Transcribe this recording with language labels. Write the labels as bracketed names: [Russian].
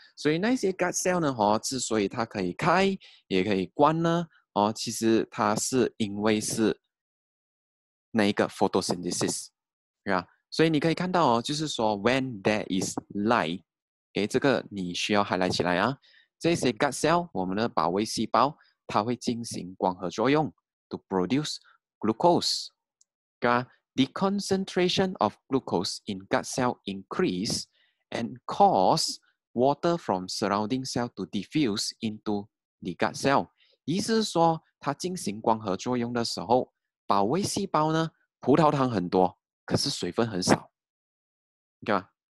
[Chinese] 所以那些 gut cell 呢，之所以它可以开也可以关呢，其实它是因为是那一个 photosynthesis， yeah。所以你可以看到就是说 [English] when there is light， [Chinese] okay， 这个你需要 highlight 起来啊。这些 gut cell， 我们的保卫细胞，它会进行光合作用 [English] to produce glucose， [Chinese] yeah。 [English] The concentration of glucose in gut cell increaseand cause water from surrounding cell to diffuse into the gut cell。 [Chinese] 意思是说它进行光合作用的时候，保卫细胞呢葡萄糖很多，可是水分很少，对吧？